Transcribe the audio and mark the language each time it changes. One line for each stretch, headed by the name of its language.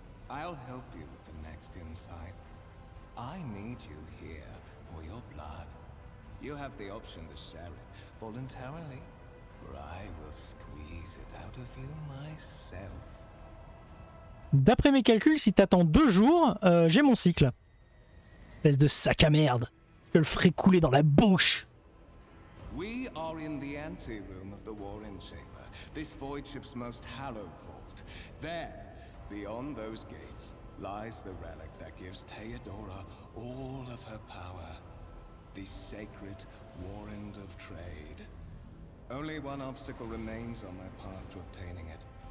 English: I'll help you with the next insight. I need you here for your blood. You have the option to share it voluntarily, or I will squeeze it out of you myself.
French: D'après mes calculs, si t'attends deux jours, j'ai mon cycle. Espèce de sac à merde. Je le ferai couler dans la bouche.
English: We are in the anteroom of the Warren Chamber, this Voidship's most hallowed vault. There. Beyond those gates lies the relic that gives Theodora all of her power. The sacred warrant of trade. Only one obstacle remains on my path to obtaining it.